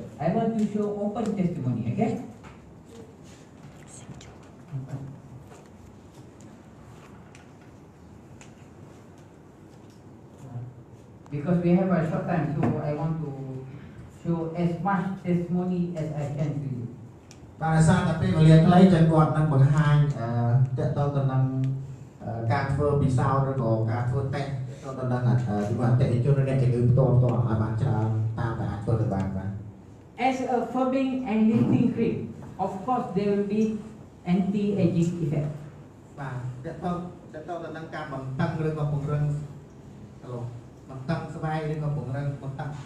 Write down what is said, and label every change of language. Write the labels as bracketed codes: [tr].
[en] I want to show open testimony, okay? Because we have a short time, so I want to show as much testimony as I can to you. [km] បាទសាតាពេលវេលាខ្លីចឹងគាត់នឹងបង្ហាញតទៅទៅនឹងការធ្វើពិសោធន៍ឬក៏ការធ្វើតេស្តទៅទៅនឹងជាអតិថិជនរបស់អ្នកជំងឺផ្ទាល់ឲ្យបានច្រើនតាមដែលអាចធ្វើទៅបានបាទ [en] As a forming and lifting cream of course there will be anti aging effect [km] បាទតទៅទៅនឹងការបង្កើនឬក៏ពង្រឹងឡូបង្កើនស្បែកឬក៏ពង្រឹងបន្ត